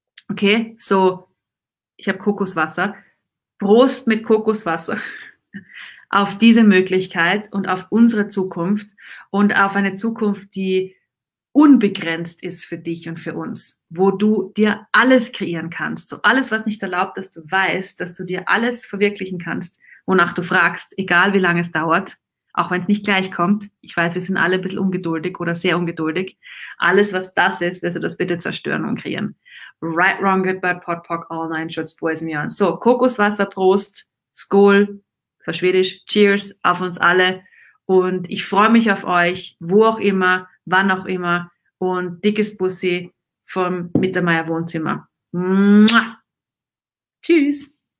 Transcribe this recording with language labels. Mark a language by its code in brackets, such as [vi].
[de] Okay, so, ich habe Kokoswasser. Prost mit Kokoswasser auf diese Möglichkeit und auf unsere Zukunft und auf eine Zukunft, die unbegrenzt ist für dich und für uns, wo du dir alles kreieren kannst, so alles, was nicht erlaubt, dass du weißt, dass du dir alles verwirklichen kannst, wonach du fragst, egal wie lange es dauert, auch wenn es nicht gleich kommt. Ich weiß, wir sind alle ein bisschen ungeduldig oder sehr ungeduldig. Alles, was das ist, wirst du das bitte zerstören und kreieren. [en] Right, wrong, good, bad, pot, pock, all 9 shots, boys and girls. [de] So, Kokoswasser, Prost, Skål, das war Schwedisch, Cheers auf uns alle. Und ich freue mich auf euch, wo auch immer, wann auch immer, und dickes Bussi vom Mittermeier Wohnzimmer. Mua. Tschüss.